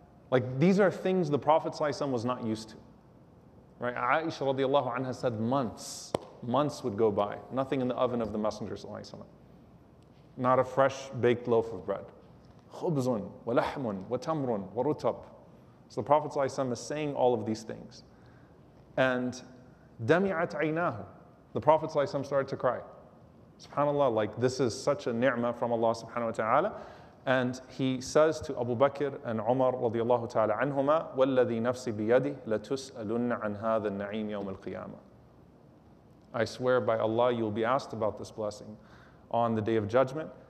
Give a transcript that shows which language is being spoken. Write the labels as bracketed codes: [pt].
[en] Like these are things the Prophet ﷺ was not used to. Right? Aisha radiallahu anha said months would go by. Nothing in the oven of the Messenger ﷺ. Not a fresh baked loaf of bread. [ar] خُبْزٌ وَلَحْمٌ وَتَمْرٌ وَرُتَبٌ. [en] So the Prophet ﷺ is saying all of these things. [ar] And دَمِعَتْ عَيْنَاهُ. [en] The Prophet ﷺ started to cry. SubhanAllah, like this is such a ni'mah from Allah subhanahu wa ta'ala. And he says to Abu Bakr and Umar radiallahu ta'ala anhuma, [ar] وَالَّذِي نَفْسِ بِيَدِهِ لَتُسْأَلُنَّ عَنْ هَذَا النَّعِيمِ يَوْمَ الْقِيَامَةِ. [en] I swear by Allah, you'll be asked about this blessing on the Day of Judgment.